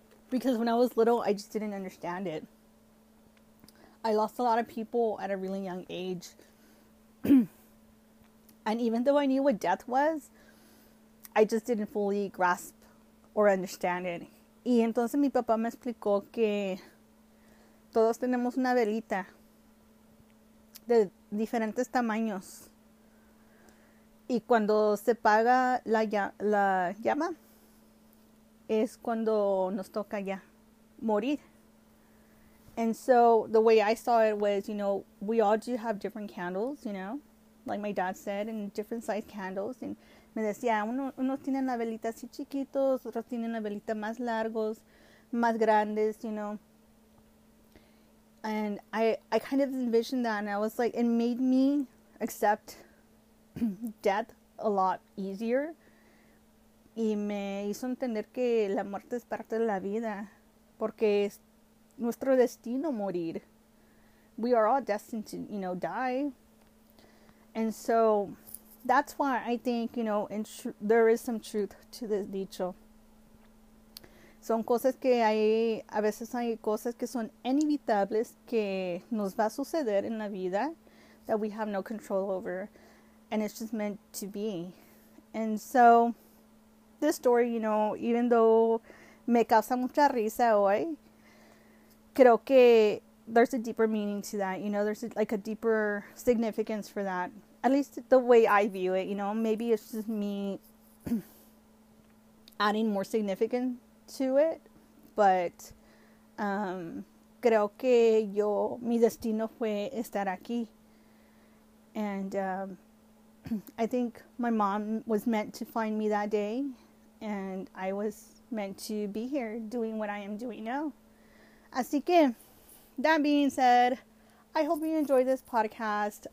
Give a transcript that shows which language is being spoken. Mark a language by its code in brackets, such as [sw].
[en] Because when I was little, I just didn't understand it. I lost a lot of people at a really young age. And even though I knew what death was, I just didn't fully grasp or understand it. [es] Y entonces mi papá me explicó que todos tenemos una velita de diferentes tamaños. Y cuando se apaga la llama, es cuando nos toca ya morir. [en] And so the way I saw it was, we all do have different candles, like my dad said, and different sized candles. And [es] me decía, unos tienen la velita así chiquitos, otros tienen la velita más largos, más grandes, [en] And I kind of envisioned that, and I was like, it made me accept death a lot easier. [es] Y me hizo entender que la muerte es parte de la vida, porque es nuestro destino morir. [en] We are all destined to, die. And so that's why I think, and there is some truth to this dicho. [es] Son cosas que hay, a veces hay cosas que son inevitables, que nos va a suceder en la vida, [en] that we have no control over, and it's just meant to be. And so, this story, even though [es] me causa mucha risa hoy, creo que [en] there's a deeper meaning to that. There's a deeper significance for that. At least the way I view it, maybe it's just me adding more significance to it, but [es] creo que yo, mi destino fue estar aquí. [en] And I think my mom was meant to find me that day, and I was meant to be here doing what I am doing now. [es] Así que, [en] that being said, I hope you enjoy this podcast.